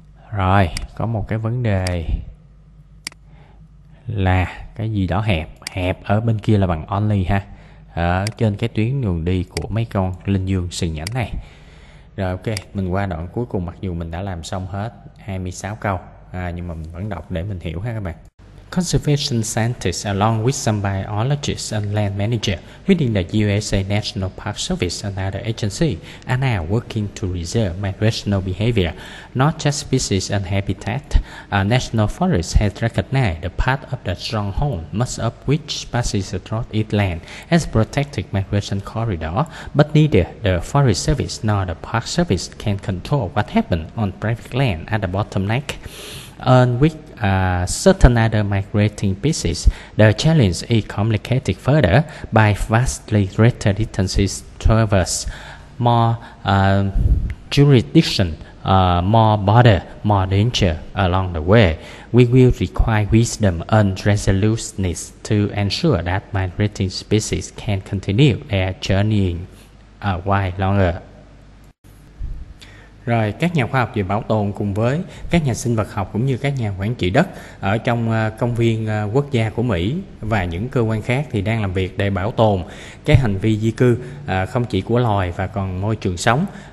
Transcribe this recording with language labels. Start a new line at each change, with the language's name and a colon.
Vietnamese: Rồi, có một cái vấn đề là cái gì đó hẹp, hẹp ở bên kia là bằng only ha, ở trên cái tuyến đường đi của mấy con linh dương sừng nhãn này. Rồi ok, mình qua đoạn cuối cùng, mặc dù mình đã làm xong hết 26 câu nhưng mà mình vẫn đọc để mình hiểu ha các bạn.
English: Conservation scientists along with some biologists and land managers within the USA National Park Service and other agencies are now working to reserve migrational behavior, not just species and habitat. A national forest has recognized the part of the stronghold, most of which passes across its land, as protected migration corridor, but neither the Forest Service nor the Park Service can control what happens on private land at the bottleneck. And with certain other migrating species, the challenge is complicated further by vastly greater distances traversed, more jurisdiction, more border, more danger along the way. We will require wisdom and resoluteness to ensure that migrating species can continue their journey while longer.
Vietnamese: Rồi, các nhà khoa học về bảo tồn cùng với các nhà sinh vật học cũng như các nhà quản trị đất ở trong công viên quốc gia của Mỹ và những cơ quan khác thì đang làm việc để bảo tồn cái hành vi di cư không chỉ của loài và còn môi trường sống.